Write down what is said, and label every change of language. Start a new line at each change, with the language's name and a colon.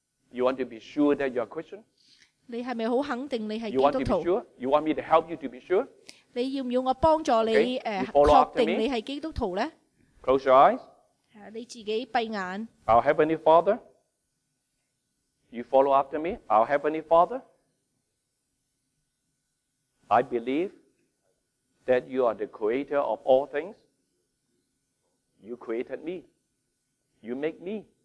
English: You want to be sure that you're a Christian?
Chinese: 你是不是很肯定你是基督徒?
English: You want to be sure? You want me to help you to be sure?
Chinese: 你要不要我帮助你
English: okay,
Chinese: 确定你是基督徒呢?
English: Close your eyes.
Chinese: 你自己闭眼。
English: Our Heavenly Father, you follow after me. Our Heavenly Father, I believe that you are the creator of all things. You created me. You make me.